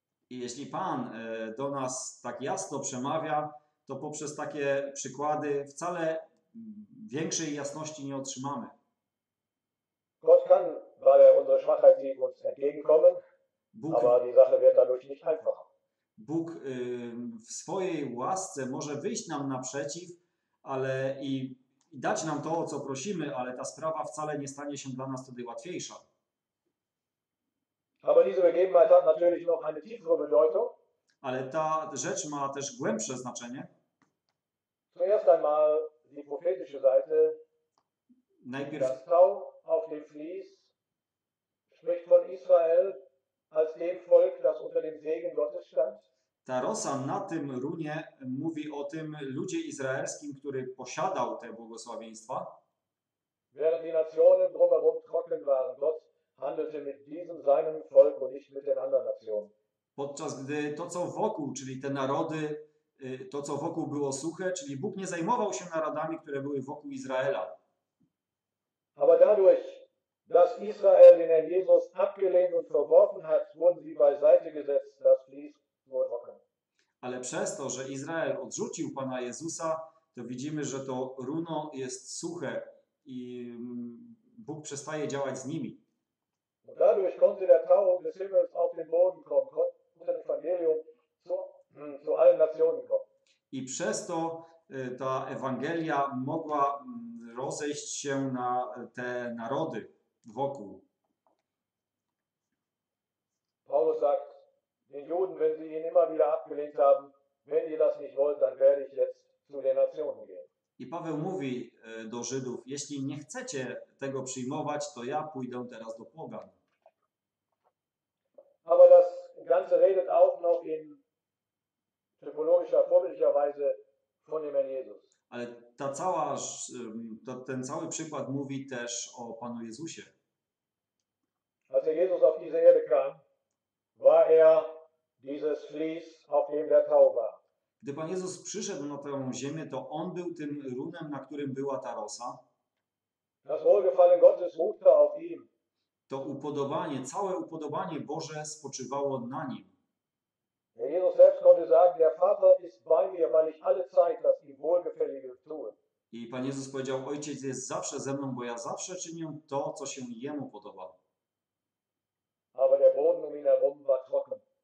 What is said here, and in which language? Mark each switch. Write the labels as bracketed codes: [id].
[pl] I jeśli Pan do nas tak jasno przemawia, to poprzez takie przykłady wcale większej jasności nie otrzymamy. [de] Gott kann, weil er unsere Schwachheit sieht, uns entgegenkommen. [pl] Bóg, [de] aber die Sache wird dadurch nicht einfacher. [pl] Bóg w swojej łasce może wyjść nam naprzeciw, ale i dać nam to, o co prosimy, ale ta sprawa wcale nie stanie się dla nas wtedy łatwiejsza. [de] Aber diese Begebenheit hat natürlich noch eine tiefere Bedeutung. [pl] Ale ta rzecz ma też głębsze znaczenie. [de] Zuerst einmal die prophetische Seite. [pl] Najpierw [de] das Tau auf dem Vlies spricht von Israel. Als dem Volk, das unter dem Segen Gottes stand. [pl] Ta rosa na tym runie mówi o tym ludzie izraelskim, który posiadał te błogosławieństwa. [de] Während die Nationen drumherum trocken waren, Gott handelte mit diesem seinem Volk und nicht mit den anderen Nationen. [pl] Podczas gdy to, co wokół, czyli te narody, to, co wokół było suche, czyli Bóg nie zajmował się narodami, które były wokół Izraela. [de] Aber dadurch, dass Israel den Herrn Jesus abgelehnt und verworfen hat, wurden sie beiseite gesetzt, das Vlies wurde trocken. [pl] Ale przez to, że Izrael odrzucił Pana Jezusa, to widzimy, że to runo jest suche i Bóg przestaje działać z nimi. [de] Und dadurch konnte der Tau des Himmels auf den Boden kommen, konnte das Evangelium zu allen Nationen kommen. [pl] I przez to ta Ewangelia mogła rozejść się na te narody. Wokół. [de] Paulus sagt, den Juden, wenn sie ihn immer wieder abgelehnt haben, wenn ihr das nicht wollt, dann werde ich jetzt zu den Nationen gehen. [pl] I Paweł mówi do Żydów, jeśli nie chcecie tego przyjmować, to ja pójdę teraz do pogan. [de] Aber das Ganze redet auch noch in typologischer, vorbildlicher Weise von dem Herrn Jesus. [pl] Ale ta cała, ten cały przykład mówi też o Panu Jezusie. [de] Als Jesus auf diese Erde kam, war dieses Vlies, auf dem der Tau war. [pl] Gdy Pan Jezus przyszedł na tę ziemię, to On był tym runem, na którym była ta rosa. [de] Das wohlgefallen Gottes ruhte auf ihm. [pl] To upodobanie, całe upodobanie Boże spoczywało na Nim. [de] Jesus selbst konnte sagen, der Vater ist bei mir, weil ich alle Zeit das ihm Wohlgefällige tue. [pl] I Pan Jezus powiedział, Ojciec jest zawsze ze mną, bo ja zawsze czynię to, co się Jemu podoba. [de] Aber der Boden um ihn herum war trocken.